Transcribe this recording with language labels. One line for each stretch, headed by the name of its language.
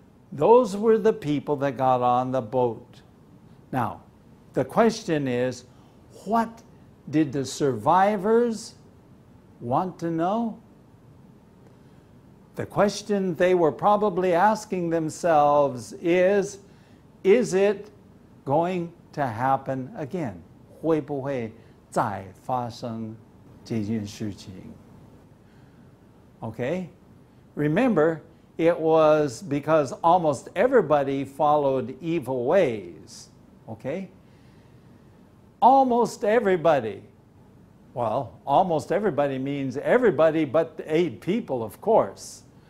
English: Those were the people that got on the boat. Now, the question is, what did the survivors want to know? The question they were probably asking themselves is it going to happen again?
Chinese: 会不会再发生这件事情?
English: Okay, remember, it was because almost everybody followed evil ways. Okay, almost everybody. Well, almost everybody means everybody but the 8 people, of course.